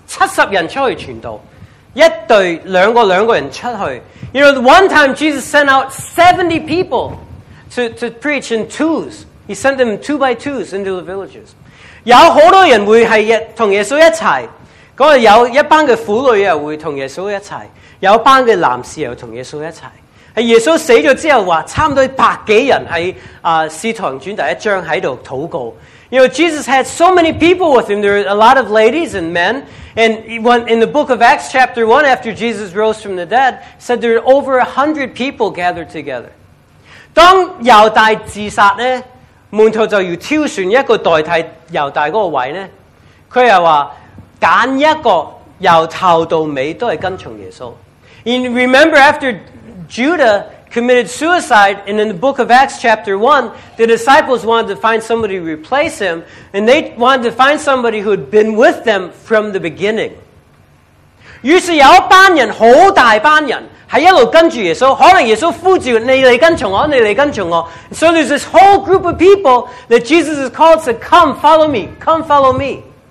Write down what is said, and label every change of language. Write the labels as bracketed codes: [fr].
[zh] 有一次耶稣派70人出去传道, 一对两个人出去。 [en] You know, one time Jesus sent out 70 people to preach in twos. He sent them two by twos into the villages. [zh] 有很多人会跟耶稣一起, 那有一班的妇女会跟耶稣一起，有一班的男士又跟耶稣一起。耶稣死了之后，差不多百多人在使徒行传第一章在祷告。 [en] You know, Jesus had so many people with him. There were a lot of ladies and men. And when, in the book of Acts chapter 1, after Jesus rose from the dead, said there were over 100 people gathered together. [zh] 当犹大自杀呢, 门徒就要挑选一个代替犹大的位呢, 他又说, 揀一个由头到尾都是跟从耶稣。 [en] And remember, after Judah committed suicide, and in the book of Acts chapter 1, the disciples wanted to find somebody to replace him, and they wanted to find somebody who had been with them from the beginning. [zh] 于是有一班人,很大班人,在一路跟着耶稣,可能耶稣呼召,你来跟从我,你来跟从我。 [en] So there's this whole group of people that Jesus has called to come follow me, come follow me.